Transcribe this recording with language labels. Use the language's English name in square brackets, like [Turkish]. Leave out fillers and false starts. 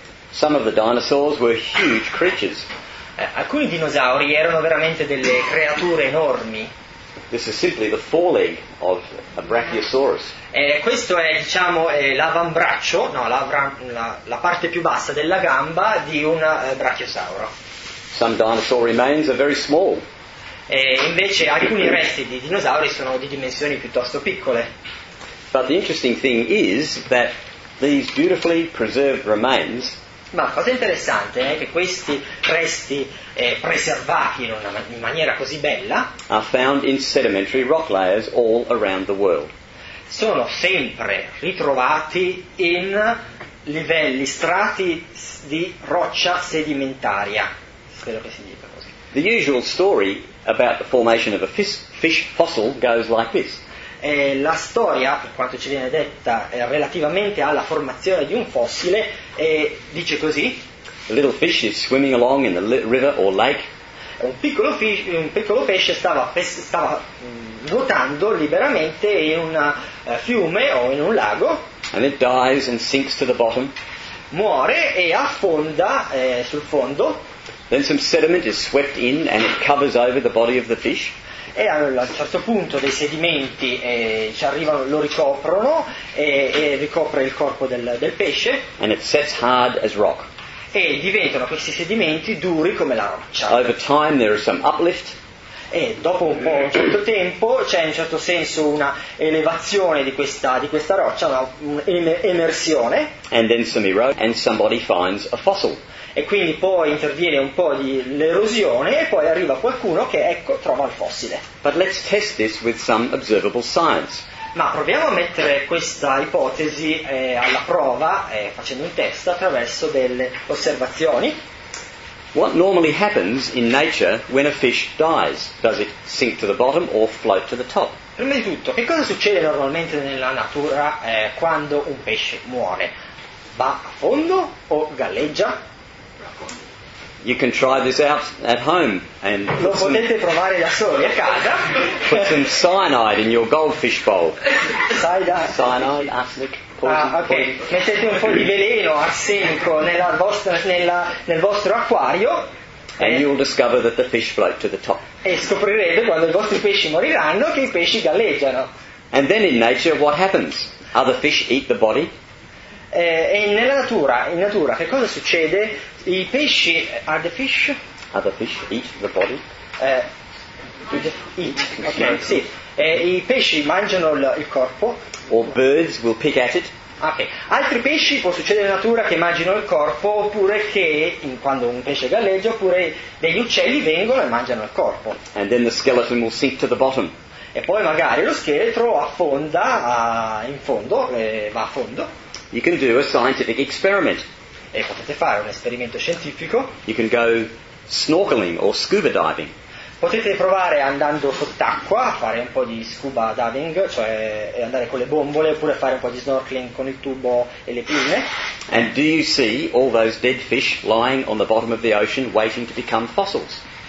[English] Some of the dinosaurs were huge creatures. [Italian] Alcuni dinosauri erano veramente delle creature enormi. [English] This is simply the foreleg of a brachiosaurus. [Italian] Questo è, diciamo, l'avambraccio, no, la parte più bassa della gamba di un brachiosauro. [English] Some dinosaur remains are very small. [Italian] Invece alcuni resti di dinosauri sono di dimensioni piuttosto piccole. [English] But the interesting thing is that these beautifully preserved remains. [Italian] Ma la cosa interessante è che questi resti preservati in maniera così bella [English] are found in sedimentary rock layers all around the world. [Italian] Sono sempre ritrovati in livelli, strati di roccia sedimentaria. Spero che si dica così. [English] The usual story about the formation of a fish fossil goes like this. [Italian] La storia, per quanto ci viene detta, relativamente alla formazione di un fossile, dice così. [English] A little fish is swimming along in the river or lake. [Italian] Un piccolo pesce stava nuotando liberamente in un fiume o in un lago. [English] And it dies and sinks to the bottom. [Italian] Muore e affonda sul fondo. [English] Then some sediment is swept in and it covers over the body of the fish. [Italian] E a un certo punto dei sedimenti ci arrivano, lo ricoprono e ricopre il corpo del pesce. [English] And it sets hard as rock. [Italian] E diventano questi sedimenti duri come la roccia. [English] Over time there is some uplift. [Italian] E dopo un certo tempo c'è in un certo senso una elevazione di questa roccia, un'emersione. [English] And then some erosion and somebody finds a fossil. [Italian] E quindi poi interviene un po' di l'erosione e poi arriva qualcuno che, ecco, trova il fossile. [English] But let's test this with some observable science. [Italian] Ma proviamo a mettere questa ipotesi alla prova facendo un test attraverso delle osservazioni. [English] What normally happens in nature when a fish dies? Does it sink to the bottom or float to the top? [Italian] Prima di tutto, che cosa succede normalmente nella natura quando un pesce muore? Va a fondo o galleggia? [English] You can try this out at home and [Italian] lo potete provare da soli a casa. [English] Put some cyanide in your goldfish bowl. Cyanide, arsenic, poison. Ah, ok. Poison. [Italian] Mettete un po' di veleno arsenico nel vostro acquario. [English] And you'll discover that the fish float to the top. [Italian] E scoprirete quando i vostri pesci moriranno che i pesci galleggiano. [English] And then in nature, what happens? Other fish eat the body. [Italian] E nella natura, in natura, che cosa succede? I pesci, [English] are the fish? Are the fish eat the body? Eat, [Italian] ok, sì. I pesci mangiano il corpo. [English] Or birds will pick at it. [Italian] Ok, altri pesci, può succedere in natura, che mangiano il corpo, oppure che, quando un pesce galleggia, oppure degli uccelli vengono e mangiano il corpo. [English] And then the skeleton will sink to the bottom. [Italian] E poi magari lo scheletro affonda in fondo, va a fondo. [English] You can do a scientific experiment. [Italian] E potete fare un esperimento scientifico. [English] You can go snorkeling or scuba diving. [Italian] Potete provare andando sott'acqua a fare un po' di scuba diving, cioè andare con le bombole, oppure fare un po' di snorkeling con il tubo e le pinne. [English] And do you see all those dead fish lying on the bottom of the ocean waiting to become fossils?